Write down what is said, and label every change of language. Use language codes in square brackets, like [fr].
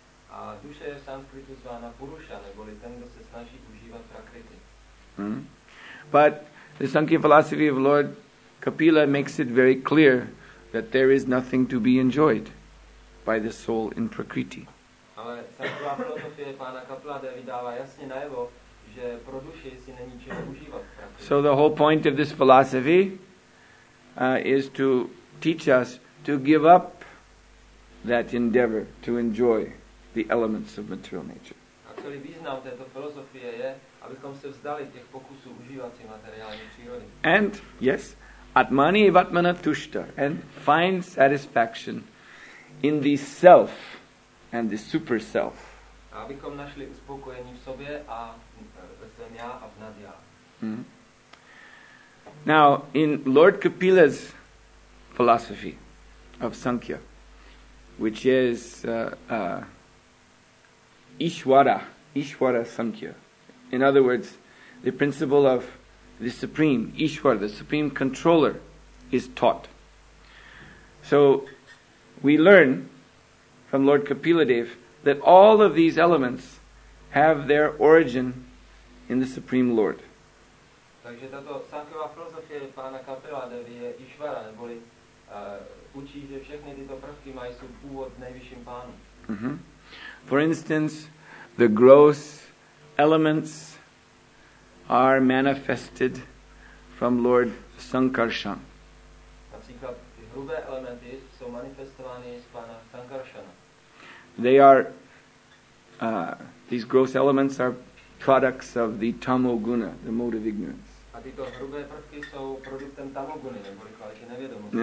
[cs] A duše je v sanskritu zvána Purusha, neboli ten, kdo se snaží užívat Prakriti. [en] But the Sankhya philosophy of Lord Kapila makes it very clear that there is nothing to be enjoyed by the soul in Prakriti. [cs] Ale sanskritová filozofie pána Kaplade vydává jasně najevo, že pro duši si není čeho užívat. [en] So the whole point of this philosophy is to teach us to give up that endeavor to enjoy the elements of material nature. [cs] A celý význam této filozofie je, abychom se vzdali těch pokusů užívat si materiální přírody. [en] And yes, atmani vatmana tushta, and find satisfaction in the self and the super self. [cs] A abychom našli uspokojení v sobě a ve svém já a v nadjá. [en] Now, in Lord Kapila's philosophy of Sankhya, which is Ishvara Sankhya, in other words, the principle of the Supreme, Ishvara, the Supreme Controller, is taught. So, we learn from Lord Kapiladev that all of these elements have their origin in the Supreme Lord. [cs] Takže tato sankhyová filozofie pána Kapiladevi je Ishvara, neboli učí, že všechny tyto prvky mají svůj původ v nejvyšším pánu. Mm-hmm. [en] For instance, the gross elements are manifested from Lord Sankarshan. [cs] Například ty hrubé elementy jsou manifestovány z pána Sankarshana. [en] They are, these gross elements are products of the tamoguna, the mode of ignorance. [cs] A tyto hrubé prvky jsou produktem tamoguny, neboli kvality nevědomosti.